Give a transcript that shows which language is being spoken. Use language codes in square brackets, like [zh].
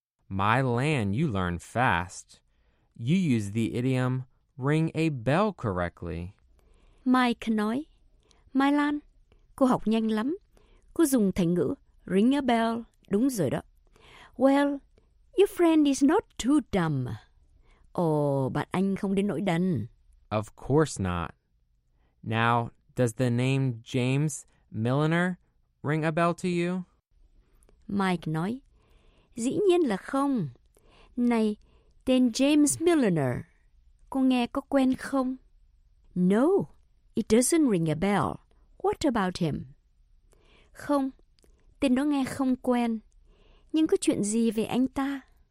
[en] My Lan, you learn fast. You use the idiom ring a bell correctly. [vi] Mike nói, My Lan, cô học nhanh lắm. Cô dùng thành ngữ ring a bell đúng rồi đó. [en] Well, your friend is not too dumb. [vi] Oh, bạn anh không đến nỗi đần. [en] Of course not. Now, does the name James Milliner ring a bell to you? [vi] Mike nói, dĩ nhiên là không. Này, tên James Milliner, cô nghe có quen không? [en] No, it doesn't ring a bell. What about him? [vi] Không, tên đó nghe không quen. Nhưng có chuyện gì về anh ta?